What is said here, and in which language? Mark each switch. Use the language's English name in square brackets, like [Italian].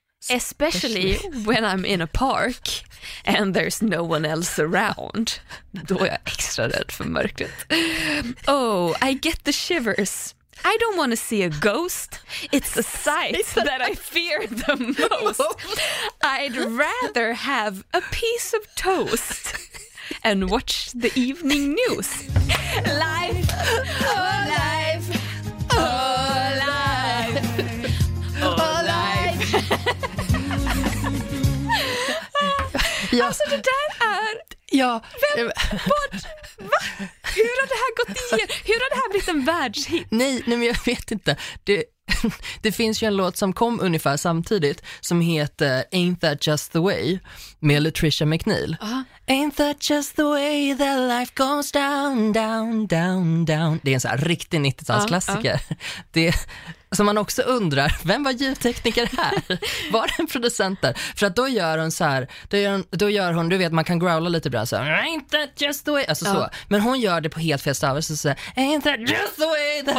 [English] Especially when I'm in a park and there's no one else around. [Swedish] Då är jag extra rädd för mörkret. [English] Oh, I get the shivers. I don't want to see a ghost. It's a sight that I fear the most. I'd rather have a piece of toast and watch the evening news. Life, oh life, oh life, oh life. [Swedish] Alltså det där är... Ja. Vem? Hur har det här gått igen? Hur har det här blivit en världshit? Nej, men jag vet inte. Det finns ju en låt som kom ungefär samtidigt som heter Ain't That Just The Way med Latricia McNeil. Uh-huh. [English] Ain't that just the way that life goes down, down, down, down. [Swedish] Det är en sån här riktig 90-talsklassiker. Uh-huh. Det som man också undrar, vem var ljudtekniker här? Var det en producent där? För att då gör hon så här, då gör hon, du vet, man kan growla lite bra så här, [English] ain't that just the way, [Swedish] alltså så. Men hon gör det på helt fel stavar, så säger [English] ain't that just the way that